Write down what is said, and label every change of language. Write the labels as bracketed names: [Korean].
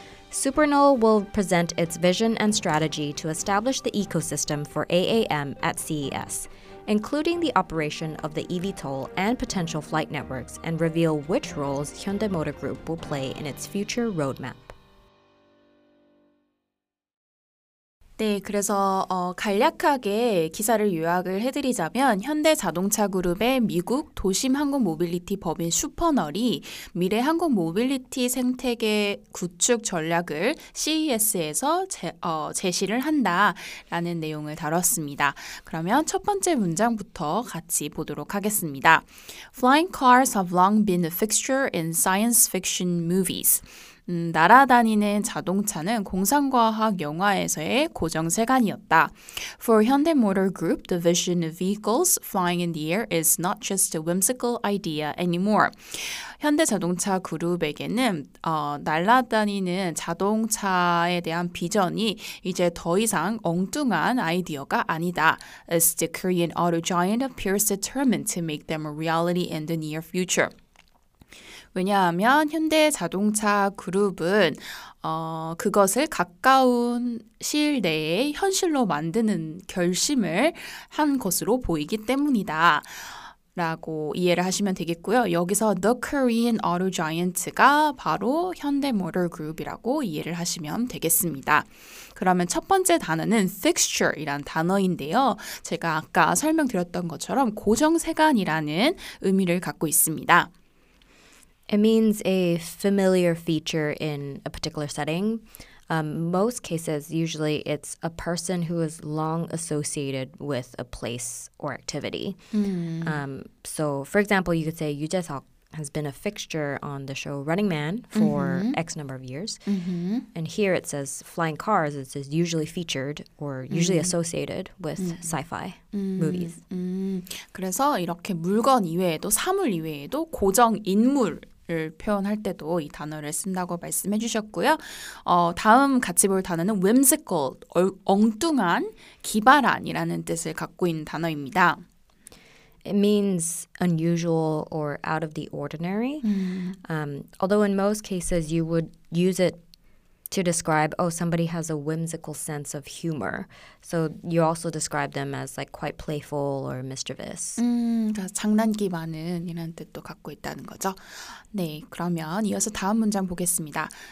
[English] Supernal will present its vision and strategy to establish the ecosystem for AAM at CES, including the operation of the eVTOL and potential flight networks, and reveal which roles Hyundai Motor Group will play in its future roadmap. [Korean] 네, 그래서 간략하게 기사를 요약을 해드리자면 현대자동차그룹의 미국 도심항공모빌리티 법인 슈퍼널이 미래 항공모빌리티 생태계 구축 전략을 CES에서 제시를 한다라는 내용을 다뤘습니다. 그러면 첫 번째 문장부터 같이 보도록 하겠습니다. [English] Flying cars have long been a fixture in science fiction movies. [Korean] 날아다니는 자동차는 공상과학 영화에서의 고정세관이었다. [English] For Hyundai Motor Group, the vision of vehicles flying in the air is not just a whimsical idea anymore. [Korean] 현대자동차 그룹에게는 날아다니는 자동차에 대한 비전이 이제 더 이상 엉뚱한 아이디어가 아니다. [English] As the Korean auto giant appears determined to make them a reality in the near future. [Korean] 왜냐하면 현대 자동차 그룹은 그것을 가까운 시일 내에 현실로 만드는 결심을 한 것으로 보이기 때문이다 라고 이해를 하시면 되겠고요. 여기서 [English] The Korean Auto Giant [Korean] 가 바로 현대 모터 그룹이라고 이해를 하시면 되겠습니다. 그러면 첫 번째 단어는 fixture이란 단어인데요. 제가 아까 설명드렸던 것처럼 고정세관이라는 의미를 갖고 있습니다. [English] It means a familiar feature in a particular setting. Most cases, usually it's a person who is long associated with a place or activity. So, for example, you could say Yoo Jae-seok has been a fixture on the show Running Man for X number of years. And here it says flying cars. It says usually featured or usually associated with sci-fi movies. [Korean] 그래서 이렇게 물건 이외에도 사물 이외에도 고정 인물 단어를 표현할 때도 이 단어를 쓴다고 말씀해 주셨고요. 다음 같이 볼 단어는 whimsical, 엉뚱한, 기발한이라는 뜻을 갖고 있는 단어입니다. It means unusual or out of the ordinary. Although in most cases you would use it to describe, oh, somebody has a whimsical sense of humor. So you also describe them as like quite playful or mischievous. 장난기 많은 이런 뜻도 갖고 있다는 거죠. 네, 그러면 이어서 다음 문장 보겠습니다.